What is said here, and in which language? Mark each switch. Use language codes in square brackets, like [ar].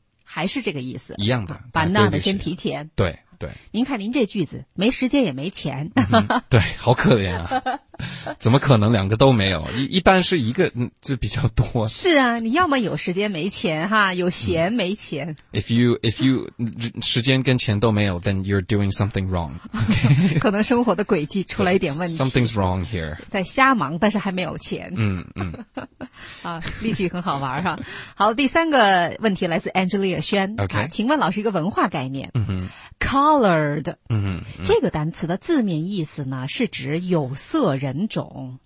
[zh] 还是这个意思一样的，把那的先提前。对对，您看您这句子没时间也没钱、嗯、对，好可怜啊怎么可能两个都没有，一般是一个就比较多，是啊，你要么有时间没钱哈，有闲没钱、 [en] 嗯、if you [zh] 时间跟钱都没有 [en] then you're doing something wrong、okay? [zh] 可能生活的轨迹出了一点问题， [en] something's wrong here， [zh] 在瞎忙但是还没有钱，嗯嗯啊，例句很好玩哈。好，第三个问题来自 Angelia 轩、 [en] okay? [zh] 啊、请问老师一个文化概念，嗯哼， [en] colored， [zh] 嗯嗯，这个单词的字面意思呢是指有色人种，